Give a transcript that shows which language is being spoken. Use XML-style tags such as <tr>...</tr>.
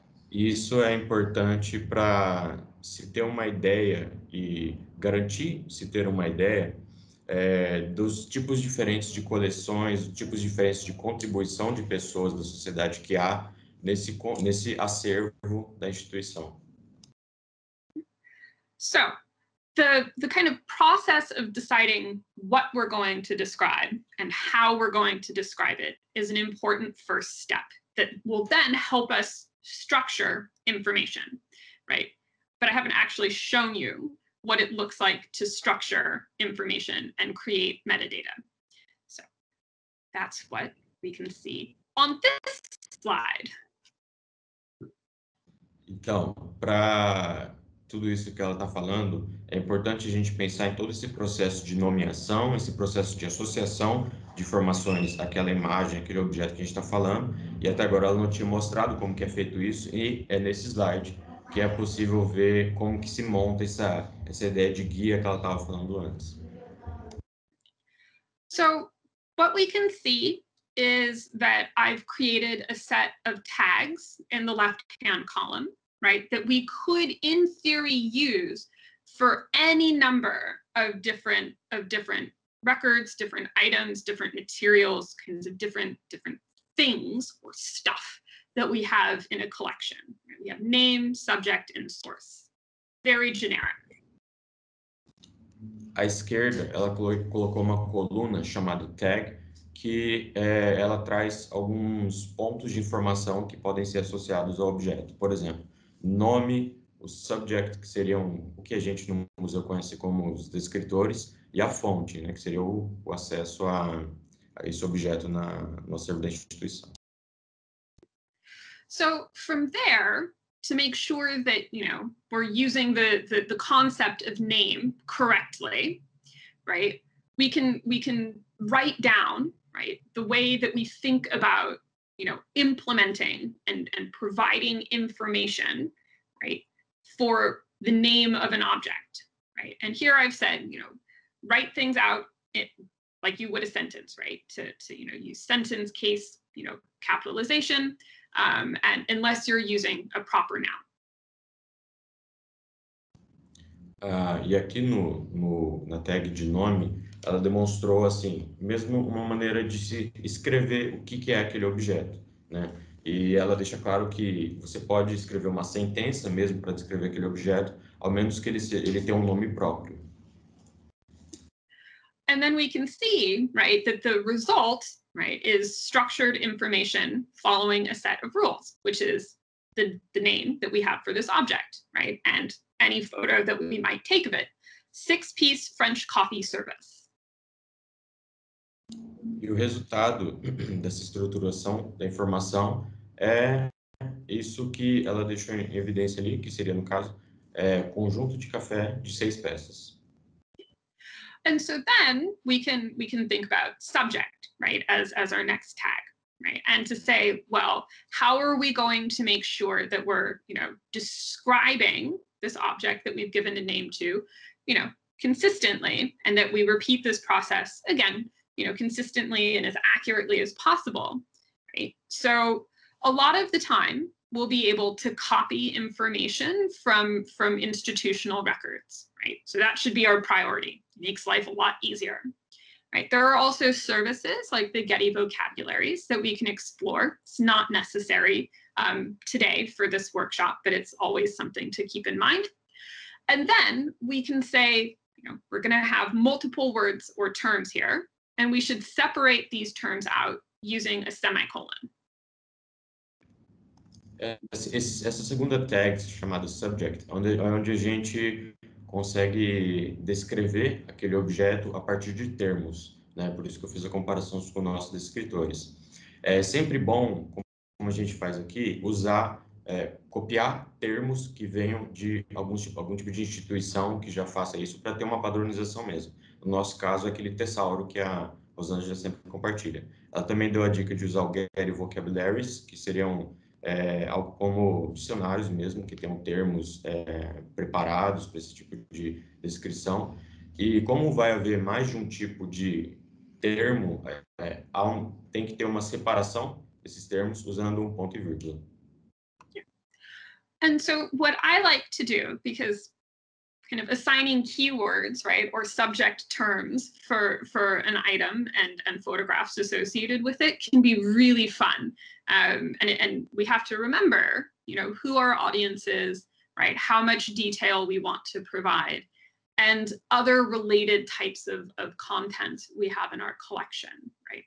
<pt>Isso é importante para se ter uma ideia e garantir se ter uma ideia dos tipos diferentes de coleções, tipos diferentes de contribuição de pessoas da sociedade que há nesse acervo da instituição.</pt> <en>So, the kind of process of deciding what we're going to describe and how we're going to describe it is an important first step that will then help us structure information, right? But I haven't actually shown you what it looks like to structure information and create metadata. So that's what we can see on this slide.</en> <pt>Então, para tudo isso que ela está falando, é importante a gente pensar em todo esse processo de nomeação, esse processo de associação de informações, aquela imagem, aquele objeto que a gente está falando, e até agora ela não tinha mostrado como que é feito isso, e é nesse slide que é possível ver como que se monta essa ideia de guia que ela estava falando antes.</pt> <en>So, what we can see is that I've created a set of tags in the left-hand column, right, that we could, in theory, use for any number of different records, different items, different materials, kinds of different things or stuff that we have in a collection. We have name, subject, and source. Very generic.</en> <pt>À esquerda, ela colocou uma coluna chamada tag, que ela traz alguns pontos de informação que podem ser associados ao objeto. Por exemplo, nome, o subject, que seria o que a gente no museu conhece como os descritores, e a fonte, né, que seria o acesso a esse objeto no acervo da instituição.</pt> <en>So, from there, to make sure that, you know, we're using the concept of name correctly, right, we can write down, right, the way that we think about, you know, implementing and providing information, right, for the name of an object, right? And here I've said, you know, write things out like you would a sentence, right? To you know, use sentence, case, you know, capitalization, and unless you're using a proper noun.</en> <pt>E aqui na tag de nome, ela demonstrou, assim, mesmo uma maneira de se escrever o que é aquele objeto, né? E ela deixa claro que você pode escrever uma sentença mesmo para descrever aquele objeto, ao menos que ele tenha um nome próprio.</pt> <en>And then we can see, right, that the result, right, is structured information following a set of rules, which is the name that we have for this object, right, and any photo that we might take of it. Six-piece French coffee service.</en> <pt>E o resultado dessa estruturação da informação é isso que ela deixou em evidência ali, que seria, no caso, conjunto de café de seis peças.</pt> <en>And so then we can think about subject, right, as our next tag, right? And to say, well, how are we going to make sure that we're, you know, describing this object that we've given a name to, you know, consistently, and that we repeat this process again, you know, consistently and as accurately as possible, right? So a lot of the time we'll be able to copy information from institutional records, right? So that should be our priority. Makes life a lot easier, right? There are also services like the Getty vocabularies that we can explore. It's not necessary today for this workshop, but it's always something to keep in mind. And then we can say, you know, we're going to have multiple words or terms here, and we should separate these terms out using a semicolon.</en> <pt>Essa segunda tag chamada subject, onde a gente consegue descrever aquele objeto a partir de termos, né? Por isso que eu fiz a comparação com nossos descritores. É sempre bom, como a gente faz aqui, usar, copiar termos que venham de algum tipo de instituição que já faça isso para ter uma padronização mesmo. No nosso caso, aquele tesauro que a Rosângela sempre compartilha. Ela também deu a dica de usar o Getty Vocabularies, que seriam algo como dicionários mesmo, que tenham termos preparados para esse tipo de descrição. E como vai haver mais de um tipo de termo, tem que ter uma separação desses termos usando um ponto e vírgula.</pt> <en>And so what I like to do, because kind of assigning keywords, right, or subject terms for an item and photographs associated with it can be really fun. And we have to remember, you know, who our audience is, right, how much detail we want to provide, and other related types of content we have in our collection, right?</en>